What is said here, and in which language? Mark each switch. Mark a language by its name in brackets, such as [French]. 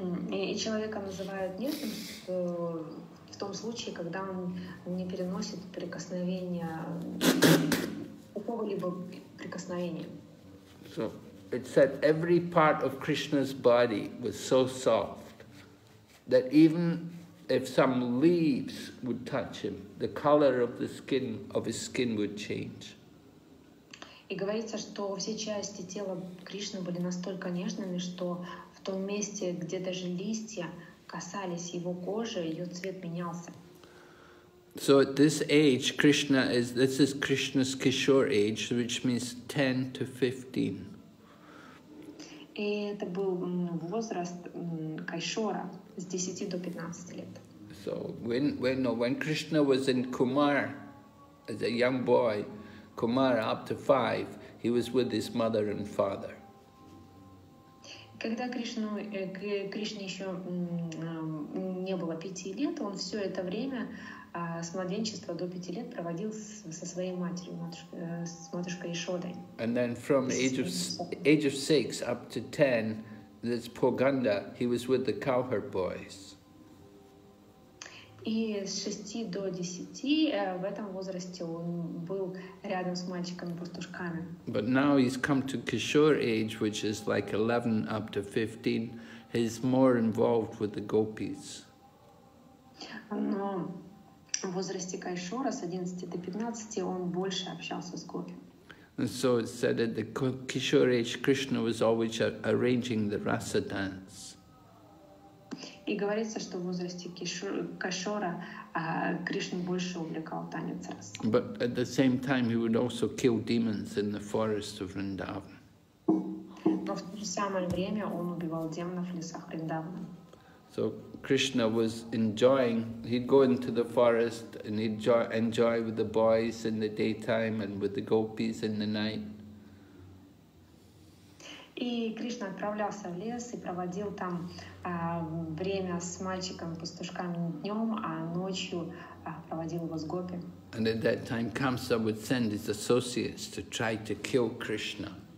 [Russian] И человека называют нежным в том случае, когда он не переносит прикосновения, какого-либо прикосновения. [English] So, it said every part of Krishna's body was so soft that even if some leaves would touch him, the color of the skin of his skin would change. [Russian] И говорится, что все части тела Кришны были настолько нежными, что в том месте, где даже листья касались его кожи, ее цвет менялся. [English] So at this age, this is Krishna's Kishore age, which means 10 to 15. [Russian] И это был возраст Кайшора с 10 до 15 лет. [English] So when Krishna was in Kumar as a young boy, Kumar up to 5, he was with his mother and father. [Russian] Когда Кришне еще не было 5 лет, он все это время с младенчества до 5 лет проводил со своей матерью, с матушкой Ишодой. [English] And then from age of 6 up to 10, this poor Ganda, he was with the cowherd boys. [Russian] И с 6 до 10 в этом возрасте он был рядом с мальчиками-пастушками. [English] But now he's come to Kishore age, which is like 11 up to 15. He's more involved with the gopis. [Russian] Но в возрасте Кайшора с 11 до 15 он больше общался с гопи. [English] And so it said at the Kishore age, Krishna was always arranging the rasa dance. [Russian] И говорится, что в возрасте Кишора Кришна больше увлекал танец раса. [English] But at the same time, he would also kill demons in the forest of Vrindavan. [Russian] Но в то же самое время он убивал демонов в лесах Вриндавана. [English] So Krishna was enjoying. He'd go into the forest and he'd enjoy with the boys in the daytime and with the gopis in the night. [Russian] И Кришна отправлялся в лес и проводил там время с мальчиком-пастушками днем, а ночью проводил его с гопи. [English] And at that time, Kamsa would send his associates to try to kill Krishna.